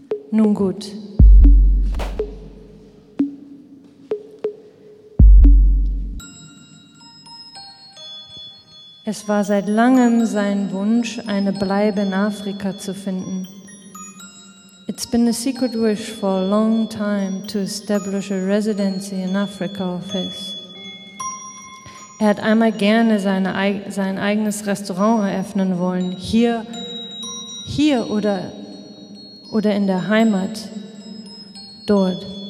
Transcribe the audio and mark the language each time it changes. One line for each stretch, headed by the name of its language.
German: Nun gut. Es war seit langem sein Wunsch, eine Bleibe in Afrika zu finden.
English: It's been a secret wish for a long time to establish a residency in Africa of his.
German: Er hat einmal gerne sein eigenes Restaurant eröffnen wollen, hier oder in der Heimat, dort.